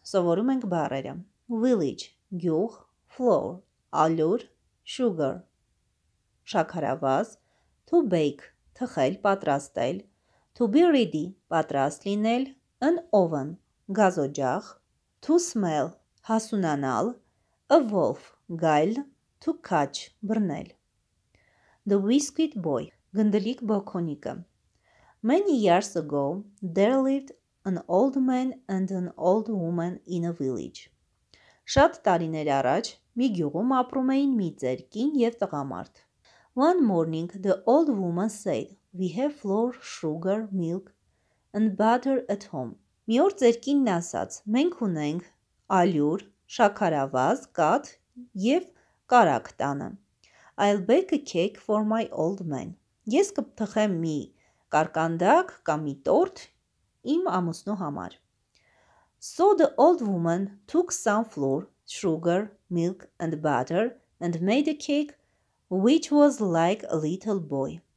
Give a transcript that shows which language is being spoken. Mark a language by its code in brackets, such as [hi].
[hy] Սովորում ենք բառերը. Village, գյուղ, floor, ալյուր, sugar, շաքարավազ, [en] to bake, [hy] թխել, պատրաստել, [en] to be ready, [hy] պատրաստ լինել, [en] an oven, [hy] գազօջախ, [en] to smell, [hy] հասունանալ, [en] a wolf, [hy] գայլ, [en] to catch, [hy] բռնել. [en] The biscuit boy, [hy] գնդլիկ բոքոնիկը. [en] Many years ago, there lived an old man and an old woman in a village. [hy] Շատ տարիներ առաջ մի գյուղում ապրում էին մի ծերկին և տղամարդ. [en] One morning, the old woman said, "We have flour, sugar, milk, and butter at home." [hy] Մի օր ծերկինն ասաց, «Մենք ունենք ալյուր, շաքարավազ, կաթ և կարագ տանը»։ [en] I'll bake a cake for my old man. [hy] Ես կթխեմ մի կարկանդակ կամ մի տորտ իմ ամուսնու համար։ [en] So the old woman took some flour, sugar, milk and butter and made a cake which was like a little boy.